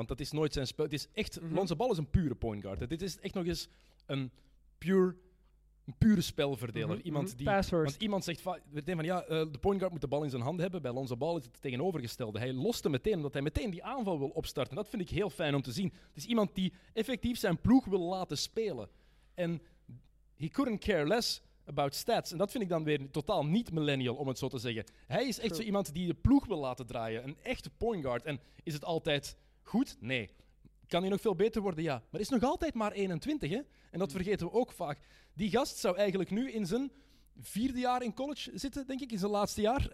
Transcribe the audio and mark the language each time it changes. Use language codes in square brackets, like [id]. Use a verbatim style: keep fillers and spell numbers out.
[nl] Want dat is nooit zijn spel. Het is echt, mm-hmm. Lonzo Ball is een pure point guard. Hè. Dit is echt nog eens een, pure, een pure spelverdeler. Mm-hmm. Iemand die, want iemand zegt va- van, ja, uh, de point guard moet de bal in zijn hand hebben. Bij Lonzo Ball is het tegenovergestelde. Hij lost hem meteen, omdat hij meteen die aanval wil opstarten. Dat vind ik heel fijn om te zien. Het is iemand die effectief zijn ploeg wil laten spelen. [en] En he couldn't care less about stats. [nl] En dat vind ik dan weer totaal niet millennial, om het zo te zeggen. Hij is echt zo iemand die de ploeg wil laten draaien. Een echte point guard. En is het altijd goed? Nee. Kan hij nog veel beter worden? Ja. Maar hij is nog altijd maar eenentwintig, hè? En dat vergeten we ook vaak. Die gast zou eigenlijk nu in zijn vierde jaar in college zitten, denk ik. In zijn laatste jaar.